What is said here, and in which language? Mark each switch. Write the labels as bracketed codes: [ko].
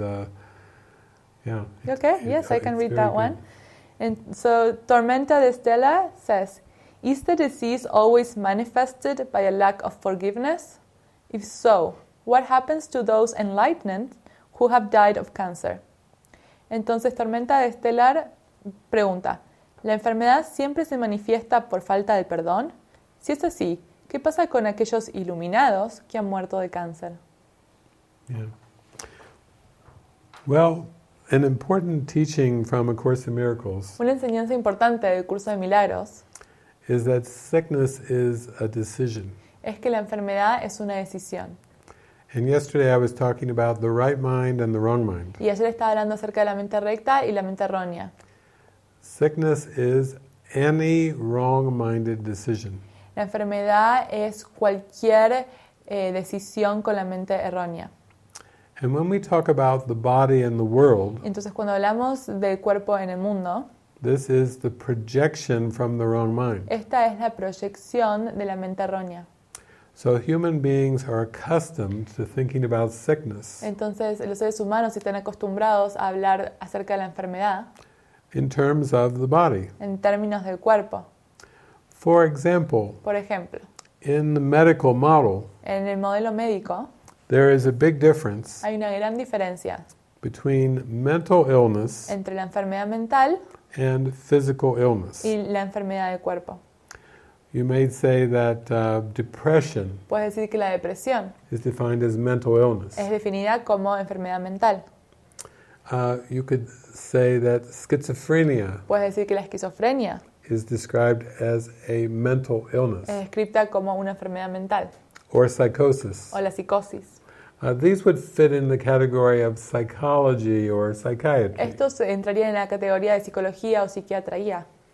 [en] Okay, yes, I can read that good. One. And so Tormenta de Stella says, is the disease always manifested by a lack of forgiveness? If so, what happens to those enlightened who have died of cancer? [es] Entonces, Tormenta de Estelar pregunta, ¿la enfermedad siempre se manifiesta por falta de perdón? Si es así, ¿qué pasa con aquellos iluminados que han muerto de cáncer? [en] Yeah. Well, an important teaching from A Course in Miracles. [es] Una enseñanza importante del Curso de Milagros [en] is that sickness is a decision. [es] Es que la enfermedad es una decisión. [en] And yesterday I was talking about the right mind and the wrong mind. [es] Y ayer estaba hablando acerca de la mente recta y la mente errónea. [en] Sickness is any wrong-minded decision. [es] La enfermedad es cualquier decisión con la mente errónea. [en] And when we talk about the body and the world, [es] entonces cuando hablamos del cuerpo en el mundo, [en] this is the projection from the wrong mind. [es] Esta es la proyección de la mente errónea. [en] So human beings are accustomed to thinking about sickness. [es] Entonces, los seres humanos están acostumbrados a hablar acerca de la enfermedad. [en] In terms of the body. [es] En términos del cuerpo. [en] For example. [es] Por ejemplo. [en] In the medical model. [es] En el modelo médico. [en] There is a big difference. [es] Hay una gran diferencia. [en] Between mental illness. [es] Entre la enfermedad mental. [en] And physical illness. [es] Y la enfermedad del cuerpo. [en] You may say that depression. [es] Puedes decir que la depresión [en] is defined as mental illness. [es] Es definida como enfermedad mental. [en] You could say that schizophrenia. [es] Puedes decir que la esquizofrenia [en] is described as a mental illness. [es] Es descrita como una enfermedad mental. [en] Or psychosis. [es] O la psicosis. [en] These would fit in the category of psychology or psychiatry. [es] Estos entrarían en la categoría de psicología o psiquiatría.